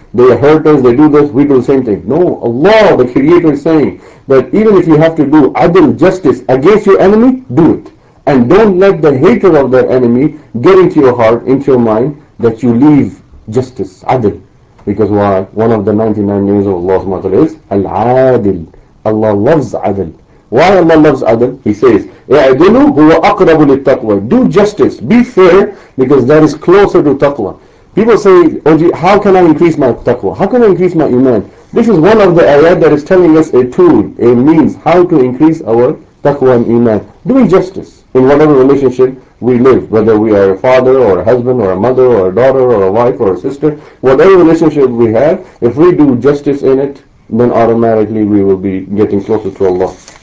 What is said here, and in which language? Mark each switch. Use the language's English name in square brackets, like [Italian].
[English] They hurt us, they do this, we do the same thing. No, Allah, the Creator, is saying that even if you have to do adil, justice, against your enemy, do it. And don't let the hatred of that enemy get into your heart, into your mind, that you leave justice, adil. Because why? One of the 99 names of Allah SWT is Al-Adil. Allah loves adil. Why Allah loves adil? [Arabic] He says, اِعْدِلُوا هُوَ أَقْرَبُ لِلتَّقْوَىٰ. [English] Do justice, be fair, because that is closer to taqwa. People say, Oji, how can I increase my taqwa? How can I increase my iman? This is one of the ayat that is telling us a tool, a means, how to increase our taqwa and iman. Doing justice in whatever relationship we live, whether we are a father or a husband or a mother or a daughter or a wife or a sister, whatever relationship we have, if we do justice in it, then automatically we will be getting closer to Allah.